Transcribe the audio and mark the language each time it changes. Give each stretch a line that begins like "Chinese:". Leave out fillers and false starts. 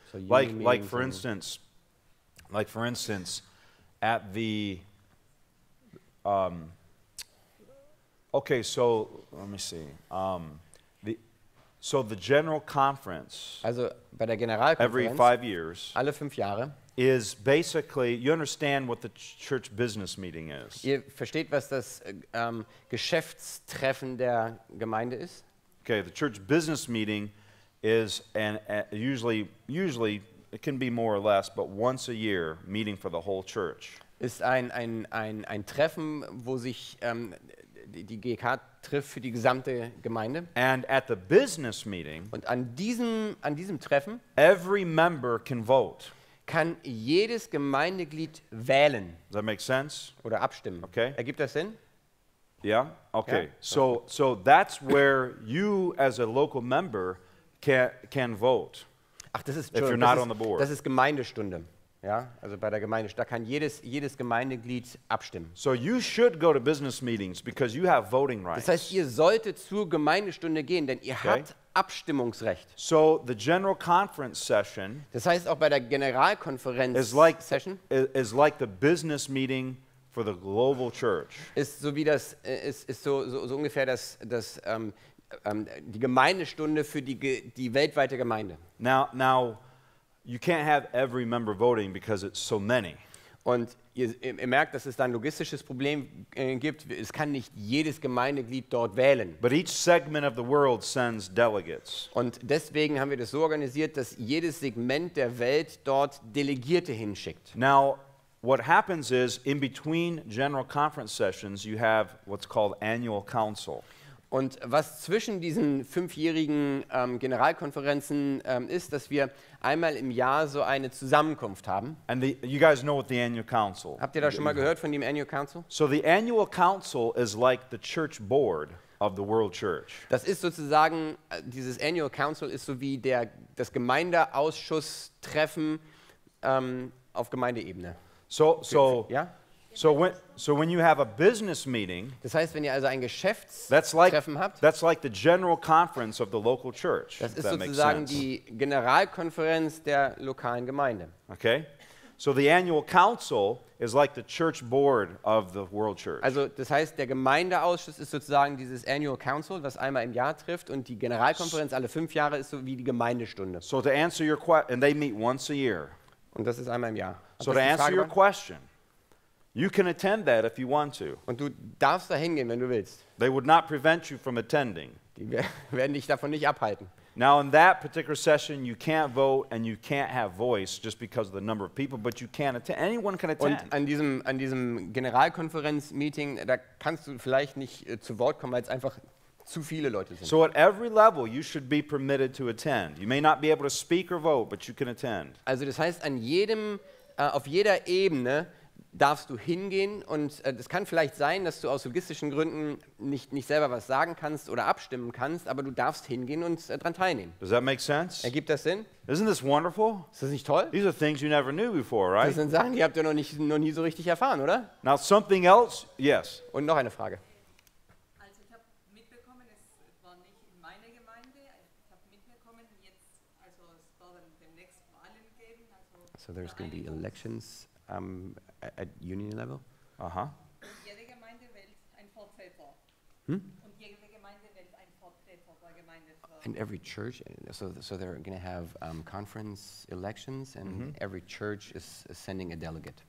English: So like for instance, at the the general conference.
German: Also bei der Generalkonferenz.
English: Every 5 years.
German: Alle 5 Jahre.
English: Is basically, you understand what the church business meeting is.
German: Ihr versteht, was das Geschäftstreffen der Gemeinde ist?
English: Okay, the church business meeting is usually it can be more or less, but once a year meeting for the whole church.
German: Ist ein Treffen, wo sich die GK trifft für die gesamte Gemeinde.
English: And at the business meeting,
German: und an diesem Treffen,
English: every member can vote.
German: Kann jedes Gemeindeglied wählen.
English: Does that make sense?
German: Oder abstimmen.
English: Okay.
German: Ergibt das Sinn?
English: Yeah. Okay.
German: Ja?
English: So that's where you as a local member can vote.
German: Ach, das ist
English: if you're not on the board.
German: Das ist Gemeindestunde. Ja, also bei der Gemeinde, da kann jedes Gemeindeglied abstimmen.
English: So you should go to business meetings because you have voting rights.
German: Das heißt, ihr solltet zur Gemeindestunde gehen, denn ihr habt Abstimmungsrecht.
English: So the general conference session.
German: Das heißt auch bei der Generalkonferenz
English: session. Is like the business meeting for the global church.
German: Ist so wie das ist so ungefähr das die Gemeindestunde für die weltweite Gemeinde.
English: Now you can't have every member voting because it's so many.
German: Und ihr merkt, dass es da ein logistisches Problem gibt. Es kann nicht jedes Gemeindeglied dort wählen.
English: But each segment of the world sends delegates.
German: Und deswegen haben wir das so organisiert, dass jedes Segment der Welt dort Delegierte hinschickt.
English: Now, what happens is, in between general conference sessions, you have what's called annual council.
German: Und was zwischen diesen fünfjährigen Generalkonferenzen ist, dass wir einmal im Jahr so eine Zusammenkunft haben.
English: And you guys know what the annual council.
German: Habt ihr da schon mal gehört von dem annual council?
English: So the annual council is like the church board of the world church.
German: Das ist sozusagen dieses annual council ist so wie das Gemeindeausschusstreffen auf Gemeindeebene.
English: So
German: ja.
English: So when you have a business meeting,
German: das heißt, wenn ihr also ein Geschäftstreffen habt,
English: that's like the general conference of the local church.
German: Das ist sozusagen die Generalkonferenz der lokalen Gemeinde.
English: Okay, so the annual council is like the church board of the world church.
German: Also das heißt, der Gemeindeausschuss ist sozusagen dieses annual council, was einmal im Jahr trifft, und die Generalkonferenz alle 5 Jahre ist so wie die Gemeindestunde.
English: So to answer your question, and they meet once a year.
German: Und das ist einmal im Jahr.
English: So to answer your question. You can attend that if you want to.
German: Und du darfst da hingehen, wenn du willst.
English: They would not prevent you from attending.
German: Die werden dich davon nicht abhalten.
English: Now in that particular session you can't vote and you can't have voice just because of the number of people, but you can attend. Anyone can attend.
German: Und an diesem Generalkonferenzmeeting, da kannst du vielleicht nicht zu Wort kommen, weil es einfach zu viele Leute sind.
English: So at every level you should be permitted to attend. You may not be able to speak or vote, but you can attend.
German: Also das heißt, auf jeder Ebene darfst du hingehen, und es kann vielleicht sein, dass du aus logistischen Gründen nicht selber was sagen kannst oder abstimmen kannst, aber du darfst hingehen und dran teilnehmen.
English: Does that make sense?
German: Ergibt das Sinn?
English: Isn't this wonderful?
German: Ist das nicht toll?
English: These are things you never knew before, right?
German: Das sind Sachen, die habt ihr noch nie so richtig erfahren, oder?
English: Now something else, yes.
German: Und noch eine Frage. Also ich habe mitbekommen, es war nicht in meiner Gemeinde, ich habe mitbekommen, es soll dann demnächst Wahlen geben.
English: So there's going to be elections. At union level? Uh-huh.
German: Jede Gemeinde wählt ein Vertreter. Und jede Gemeinde wählt ein Vertreter der Gemeinde.
English: And every church, so they're going to have conference elections, and every church is sending a delegate.